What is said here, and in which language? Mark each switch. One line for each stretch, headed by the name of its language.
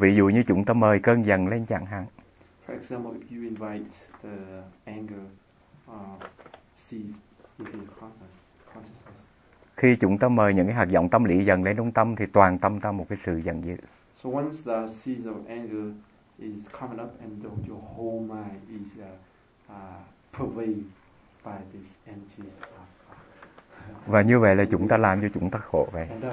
Vietnamese: Ví dụ như chúng ta mời cơn giận lên chẳng hạn.
English: For For example, if you invite the anger seeds into your consciousness.
Vietnamese: Khi chúng ta mời những cái hạt giống tâm lý dần lên trung tâm thì toàn tâm ta một cái sự dần dữ.
English: So once the seeds of anger is coming up and your whole mind is pervaded by this empty stuff.
Vietnamese: Và như vậy là chúng ta làm cho chúng ta khổ vậy.